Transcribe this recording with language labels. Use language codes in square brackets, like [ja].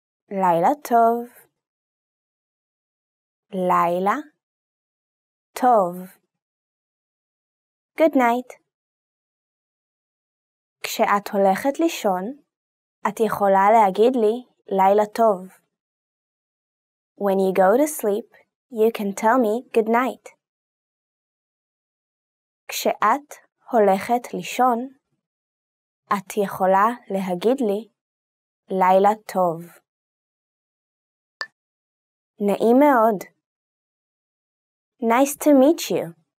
[he] לילה טוב. לילה טוב. [en] Good night. [he] כשאת הולכת לישון, את יכולה להגיד לי לילה טוב. [en] When you go to sleep, you can tell me good night. [he] כשאת הולכת לישון, את יכולה להגיד לי לילה טוב. נעים מאוד. [en] Nice to meet you.